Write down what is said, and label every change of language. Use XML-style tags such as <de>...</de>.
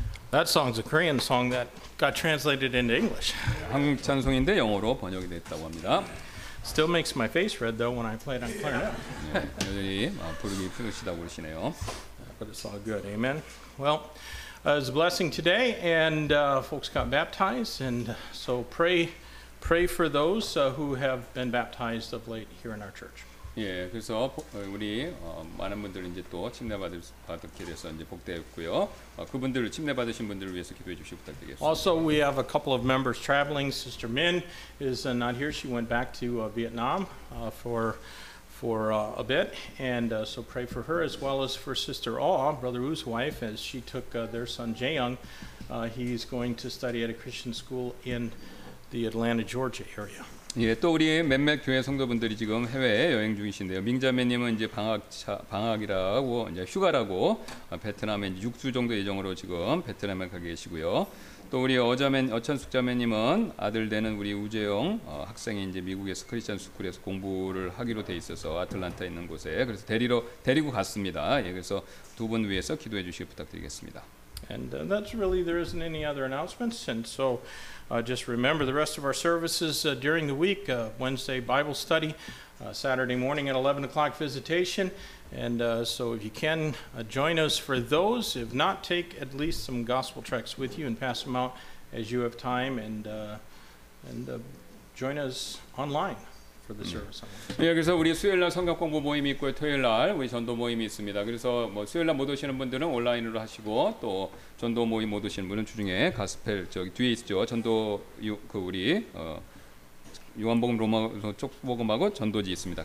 <ko>한국 찬송인데 영어로 번역이 됐다고 합니다.</ko> <en>Still makes my face red though when I play it on clarinet.</en> <ko>여전히 부르기 힘드시다고 그러시네요.</ko> <en>But it's all good. Amen. Well, it's a blessing today, and folks got baptized, and so pray. Pray for those who have been baptized of late here in our church.</en> <ko>예, 그래서 우리 많은 분들 이제 또 침례 받게 돼서 이제 복되었고요. 그분들을 침례 받으신 분들을 위해서 기도해 주시기 부탁드리겠습니다.</ko> <en>Also, we have a couple of members traveling. Sister Min is not here. She went back to Vietnam for a bit, and so pray for her as well as for Sister Ah, Brother Wu's wife, as she took their son Jae Young. He's going to study at a Christian school in. the Atlanta, Georgia area.</en> <ko>예, 또 우리 몇몇 교회 성도분들이 지금 해외에 여행 중이신데요. 민자매님은 이제 방학이라고 이제 휴가라고 베트남에 이제 6주 정도 예정으로 지금 베트남에 가 계시고요. 또 우리 어천숙자매님은 아들 되는 우리 우재영 학생이 이제 미국에서 크리스천 스쿨에서 공부를 하기로 돼 있어서 애틀랜타 있는 곳에 그래서 데리고 갔습니다. 예, 그래서 두 분 위해서 기도해 주시기 부탁드리겠습니다.</ko> <en>And that's really there isn't any other announcements and so just remember the rest of our services during the week, Wednesday Bible study, Saturday morning at 11 o'clock visitation. And so if you can join us for those, if not, take at least some gospel tracts with you and pass them out as you have time and join us online. Yeah.</en> <ko>예, 그래서 우리 수요일 날 성경 공부 모임이 있고 토요일 날 우리 전도 모임이 있습니다. 그래서 뭐 수요일 날 못 오시는 분들은 온라인으로 하시고 또 전도 모임 못 오시는 분은 주중에 가스펠 저기 뒤에 있죠. 전도 그 우리 요한복음 로마서 쪽 복음하고 전도지 있습니다.</ko>